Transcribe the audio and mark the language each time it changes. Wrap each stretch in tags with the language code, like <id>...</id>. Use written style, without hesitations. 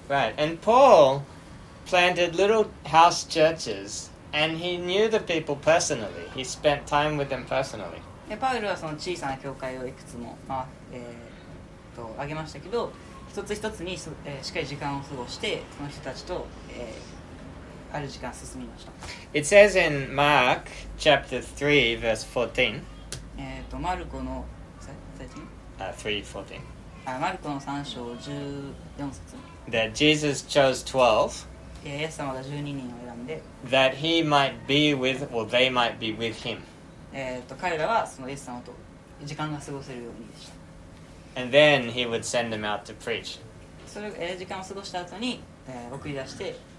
<en>Right. And Paul planted little house churches, and he knew the people personally. He spent time with them personally.</en> <ja>で、パウルはその小さな教会をいくつも、まあ、あげましたけど、一つ一つに、しっかり時間を過ごして、その人たちと、ある時間進みました。</ja> <en>It says in Mark chapter 3 verse 14.</en> <ja>マルコの 3:14. マルコの3章14節。</ja> <en>That Jesus chose 12.</en> <ja>イエス様が12人を選んで。</ja> <en>That he might be with, or they might be with him.</en> <ja>彼らはそのイエス様と時間が過ごせるようにでした。</ja> <en>And then he would send them out to preach.</en> <ja>それ、時間を過ごした後に、送り出して、</ja>